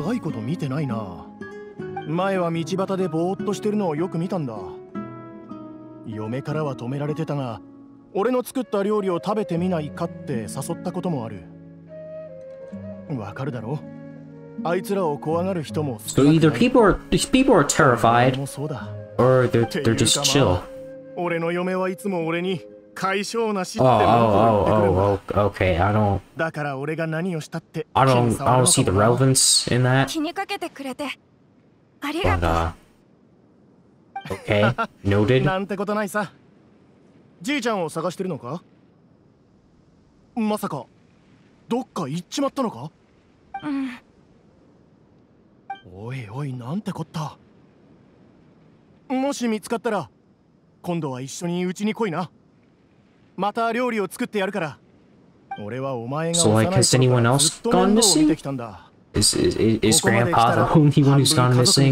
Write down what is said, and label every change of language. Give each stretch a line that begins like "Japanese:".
Japanese: 長いこと見てないな。前は道端でぼーっとしてるのをよく見たんだ。嫁からは止められてたが、俺の作った料理を食べてみないかって誘ったこともある。わかるだろ？あいつらを怖がる人も少ない。
English: So either people are terrified, or they're just chill.
Japanese: 俺の嫁はいつも俺に解消なしって言ってくるんだ。
English: Oh, okay. I don't see the relevance in that.
Japanese: 気にかけてくれてありがとう。
English: But, Okay, noted.
Japanese: なんてことないさ。じいちゃんを探してるのか？まさか、どっか行っちまったのか？うん。おいおい、なんてこった。もし見つかったら、今度は一緒にうちに来いな。また料理を作ってやるから。俺はお前が幼い頃からずっと面倒を見てきたんだ。
English: Is Grandpa the only one who's gone missing?